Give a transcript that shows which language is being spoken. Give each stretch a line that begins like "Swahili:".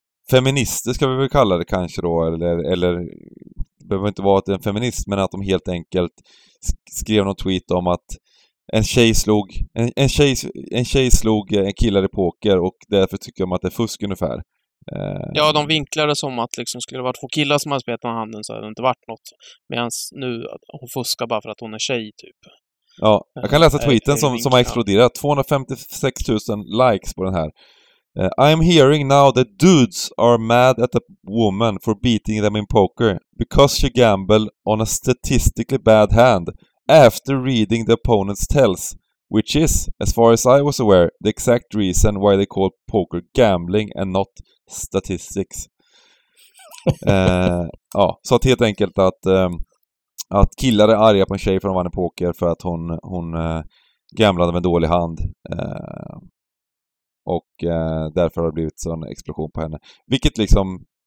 Swedish: feminister ska vi väl kalla det kanske då, eller det behöver inte vara att det är en feminist, men att de helt enkelt skrev någon tweet om att en tjej slog en killare i poker och därför tycker de att det är fusk ungefär. Ja, de vinklade som att liksom skulle vara två killar som har spelat med handen så hade det inte varit något, medan nu hon fuskar bara för att hon är tjej typ. Ja, jag kan läsa tweeten som har exploderat. 256 000 likes på den här.
English: I am hearing now that dudes are mad at a woman for beating them in poker because she gambled on a statistically bad hand after reading the opponent's tells. which is, as far as I was aware, the exact reason why they call poker gambling and not statistics.
Swedish: ja, så att helt enkelt att, att killar är arga på en tjej för att hon vann poker för att hon, hon gamblade med dålig hand. Och därför har det blivit sån explosion på henne. Vilket liksom...